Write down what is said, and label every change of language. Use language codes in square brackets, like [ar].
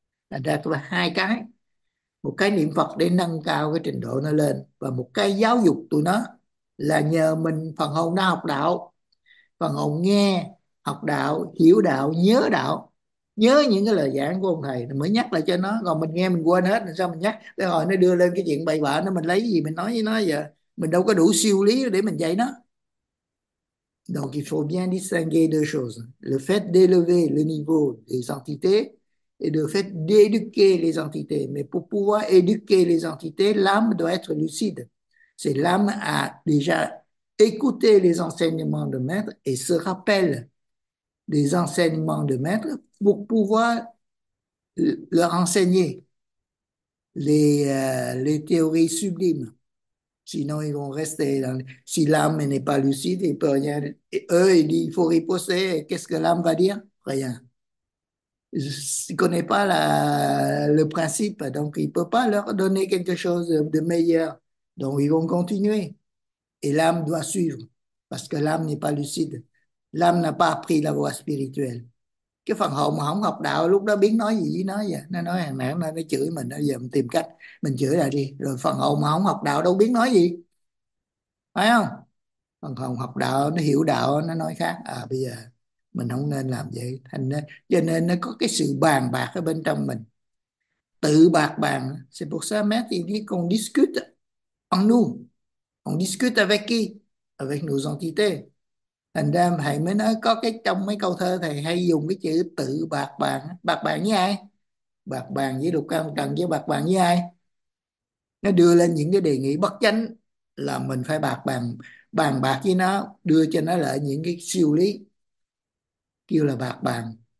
[vi] Thành ra có hai cái, một cái niệm Phật để nâng cao cái trình độ nó lên, và một cái giáo dục tụi nó là nhờ mình phần hồn đã học đạo, phần hồn nghe học đạo, hiểu đạo, nhớ những cái lời giảng của ông thầy mới nhắc lại cho nó. Còn mình nghe mình quên hết, sao mình nhắc để hồi nó đưa lên cái chuyện bậy bạ nó, mình lấy gì mình nói với nó giờ, mình đâu có đủ siêu lý để mình dạy nó. [fr] Donc il faut bien distinguer deux choses, le fait d'élever le niveau des entités et le fait d'éduquer les entités. Mais pour pouvoir éduquer les entités, l'âme doit être lucide. C'est l'âme a déjà écouté les enseignements de maître et se rappelle des enseignements de maître pour pouvoir leur enseigner les théories sublimes. Sinon, ils vont rester dans... Si l'âme n'est pas lucide, ils peuvent rien... Et eux, ils disent, il faut riposter. Qu'est-ce que l'âme va dire? Rien. Je ne connais pas le principe, donc il ne peut pas leur donner quelque chose de meilleur. Donc ils vont continuer. Et l'âme doit suivre, parce que l'âme n'est pas lucide. L'âme n'a pas appris la voie spirituelle. [vi] Cái phần hồn mà không học đạo lúc đó biến nói gì với nó vậy? Nó nói hàng nãy nó chửi mình, bây giờ mình tìm cách mình chửi lại đi. Rồi phần hồn mà không học đạo đâu biết nói gì, phải không? Phần hồn học đạo, nó hiểu đạo, nó nói khác. À bây giờ mình không nên làm vậy. Thành nên, cho nên nó có cái sự bàn bạc ở bên trong mình. Tự bạc bàn. [fr] C'est pour ça, maître, il dit qu'on discute en nous. On discute avec qui? Avec nos entités. [vi] Thành ra thầy mới nói có cái trong mấy câu thơ thầy hay dùng cái chữ tự bạc bàn với ai? Bạc bàn với lục căn lục trần, với bạc bàn với ai? Nó đưa lên những cái đề nghị bất chánh là mình phải bàn bạc với nó, đưa cho nó lại những cái siêu lý, kêu là bạc bàn.